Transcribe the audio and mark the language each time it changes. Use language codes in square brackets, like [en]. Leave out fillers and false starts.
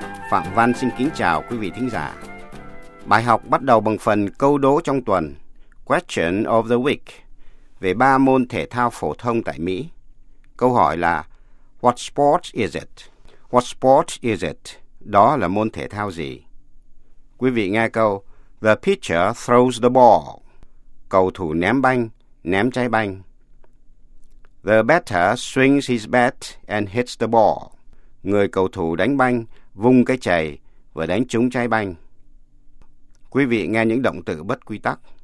[vi] Phạm Văn xin kính chào quý vị thính giả. Bài học bắt đầu bằng phần câu đố trong tuần, Question of the Week, về ba môn thể thao phổ thông tại Mỹ. Câu hỏi là [en] What sport is it? What sport is it? [vi] Đó là môn thể thao gì? Quý vị nghe câu [en] The pitcher throws the ball. [vi] Cầu thủ ném banh, ném trái banh. [en] The batter swings his bat and hits the ball. [vi] Người cầu thủ đánh banh, vung cái chày và đánh trúng trái banh. Quý vị nghe những động từ bất quy tắc.